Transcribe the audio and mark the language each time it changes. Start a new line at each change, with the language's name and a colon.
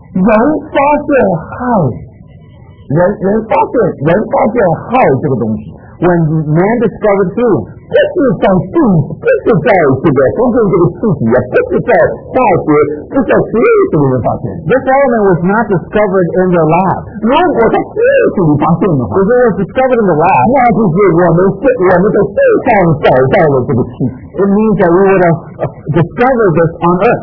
Chinese: 人发现氦，人发现氦这个东西。
English: When man discovered helium，
Chinese: 这是在地，这是在这个发现这个气体啊，这是在化学，这是在实验室里面发现。
English: This element was not discovered in the lab。
Chinese: 如果在实验室里发现的话，如果
English: was discovered in the lab，
Chinese: 那就是我们在地上找到了这个气体。
English: It means that we would have discovered this on Earth，